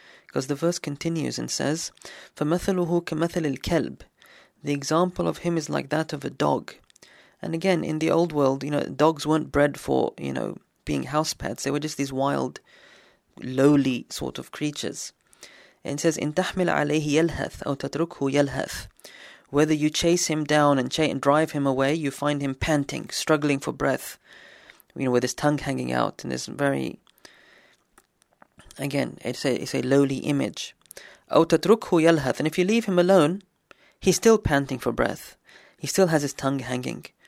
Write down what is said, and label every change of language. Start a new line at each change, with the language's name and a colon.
English: Because the verse continues and says,
Arabic: فَمَثَلُهُ كَمَثَلِ الْكَلْبِ.
English: The example of him is like that of a dog. And again, in the old world, you know, dogs weren't bred for, you know, being house pets. They were just these wild, lowly sort of creatures. And it says,
Arabic: إِن تَحْمِلْ عَلَيْهِ يَلْهَثْ أَوْ تَتْرُكْهُ يَلْهَثْ.
English: Whether you chase him down and drive him away, you find him panting, struggling for breath, you know, with his tongue hanging out. And it's very, again, it's a lowly image.
Arabic: أَوْ تَتْرُكْهُ يَلْهَثْ.
English: And if you leave him alone, he's still panting for breath. He still has his tongue hanging.